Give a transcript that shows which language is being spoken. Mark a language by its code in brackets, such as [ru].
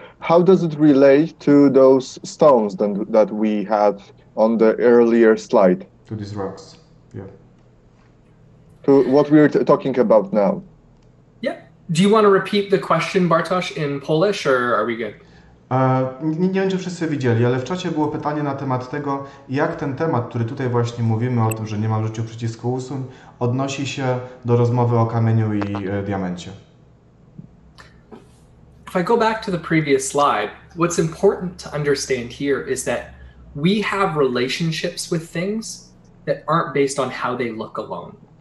[en] How does it relate to those stones that we had on the earlier slide? To these rocks, yeah. To what we're talking about now. Yeah. Do you want to repeat the question, Bartosz, in Polish, or are we good? [pl] Nie wiem, czy wszyscy widzieli, ale w czacie było pytanie na temat tego, jak ten temat, który tutaj właśnie mówimy o tym, że nie ma w życiu przycisku usuń, odnosi się do rozmowy o kamieniu i diamencie. [en] If I go back to the previous slide, what's important to understand here is that we have relationships with things that aren't based on how they look alone.